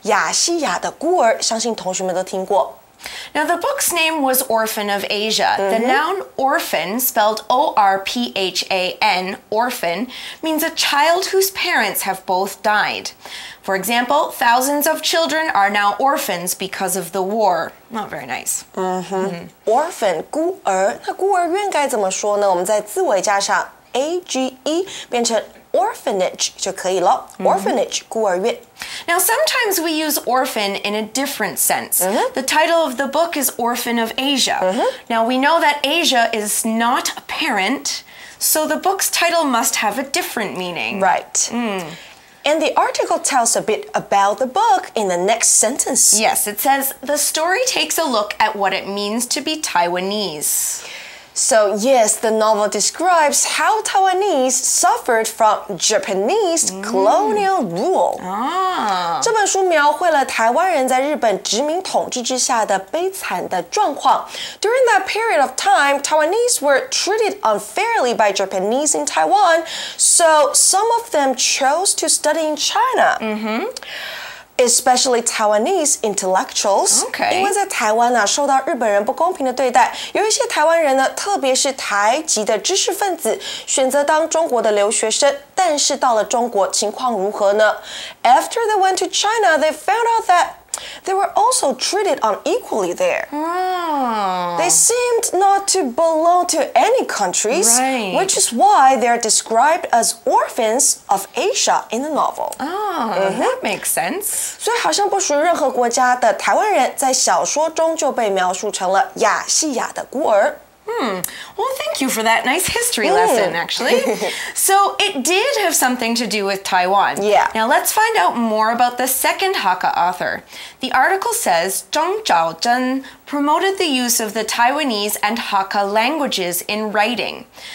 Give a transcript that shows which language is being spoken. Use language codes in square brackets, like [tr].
[zh] 在中国的那段期间呢，深深影响了吴浊流最著名的小说《亚细亚的孤儿》，相信同学们都听过。 [en] Now, the book's name was Orphan of Asia. The noun orphan, spelled O-R-P-H-A-N, orphan, means a child whose parents have both died. For example, thousands of children are now orphans because of the war. Not very nice. [zh] Orphan, 孤儿.那孤儿院该怎么说呢? 我们在字尾加上 A-G-E, 变成 orphanage 就可以了. Orphanage, 孤儿院. [en] Now, sometimes we use orphan in a different sense. The title of the book is Orphan of Asia. Now, we know that Asia is not a parent, so the book's title must have a different meaning. Right. And the article tells a bit about the book in the next sentence. Yes, it says, the story takes a look at what it means to be Taiwanese. So yes, the novel describes how Taiwanese suffered from Japanese colonial rule. [zh] 这本书描绘了台湾人在日本殖民统治之下的悲惨的状况。 [en] During that period of time, Taiwanese were treated unfairly by Japanese in Taiwan, so some of them chose to study in China. Especially Taiwanese intellectuals. Okay. [zh] 因为在台湾啊受到日本人不公平的对待，有一些台湾人呢，特别是台籍的知识分子，选择当中国的留学生。但是到了中国，情况如何呢？ [en] After they went to China, they found out that they were also treated unequally there. They seemed not to belong to any countries, right. Which is why they're described as orphans of Asia in the novel. That makes sense. [zh] 所以好像不属于任何国家的台湾人在小说中就被描述成了亚细亚的孤儿。 [en] Well, thank you for that nice history lesson, actually. So it did have something to do with Taiwan. Yeah. Now let's find out more about the second Hakka author. The article says, Zhang Zhaozhen promoted the use of the Taiwanese and Hakka languages in writing.